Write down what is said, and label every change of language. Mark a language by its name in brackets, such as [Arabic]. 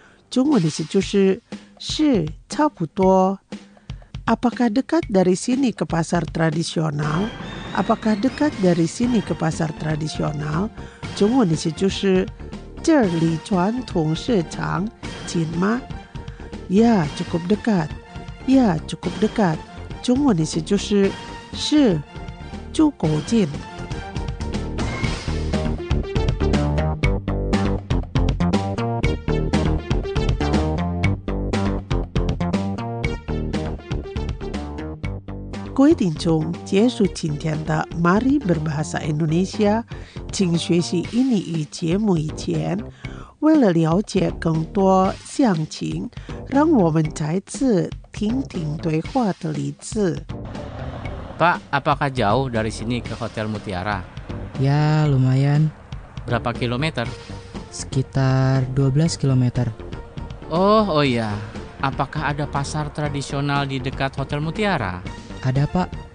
[Chinese] 中文意思就是是差不多。 [Indonesian] Apakah dekat dari sini ke pasar tradisional? Apakah dekat dari sini ke pasar tradisional? [Chinese] 中文意思就是这里传统市场近吗？ [Indonesian] Ya, cukup dekat. [Chinese] 中文意思就是是足够近。规定中结束今天的 Mari Berbahasa Indonesia 请学习英语与节目以前，为了了解更多详情，让我们再次听听对话的例子。 [Indonesian] Pak, apakah jauh dari sini ke Hotel Mutiara? Ya, lumayan. Berapa kilometer? Sekitar 12 kilometer. Oh, iya. Apakah ada pasar tradisional di dekat Hotel Mutiara? Ada, Pak.